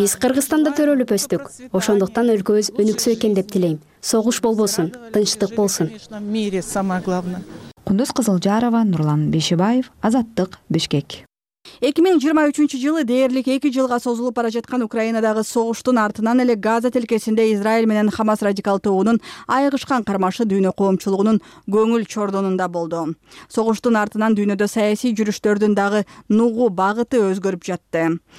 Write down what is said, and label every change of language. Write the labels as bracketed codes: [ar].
[ky] Биз Кыргызстанда төрөлүп өстүк. Ошондуктан өлкөбүз өнүксө экен деп тилейм. Согуш болбосун, тынчтык болсун. [ru] В мире самое главное. [ky] Кундуз Кызылжарова, Нурлан Бешибаев, Азаттык, Бишкек. 2023 жылы дээрлик 2 жылга созулуп бара жаткан Украинадагы согуштун артынан эле Газа тилкесинде Израиль менен Хамас радикал тобунун айыгышкан кармашы дүйнө коомчулугунун көңүл чордонунда болду. Согуштун артынан дүйнөдө саясий жүрүштөрдүн дагы нугу багыты өзгөрүп жатты.